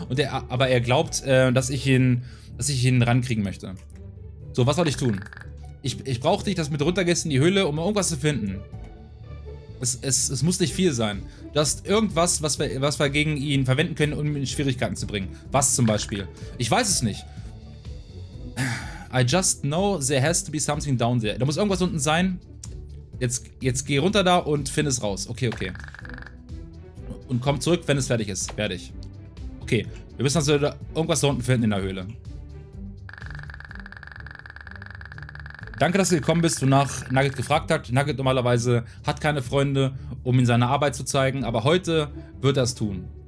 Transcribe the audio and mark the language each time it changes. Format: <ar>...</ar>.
<de>Dass ich ihn rankriegen möchte. So, was soll ich tun? Ich brauche dich, dass du mit runtergehst in die Höhle, um irgendwas zu finden. Es muss nicht viel sein. Du hast irgendwas, was wir gegen ihn verwenden können, um ihn in Schwierigkeiten zu bringen. Was zum Beispiel? Ich weiß es nicht.</de> <en>I just know there has to be something down there.</en> <de>Da muss irgendwas unten sein. Jetzt geh runter da und find es raus. Okay. Und komm zurück, wenn es fertig ist. Fertig. Okay, wir müssen also irgendwas da unten finden in der Höhle. Danke, dass du gekommen bist und nach Nugget gefragt hast. Nugget normalerweise hat keine Freunde, um ihm seine Arbeit zu zeigen, aber heute wird er es tun.</de>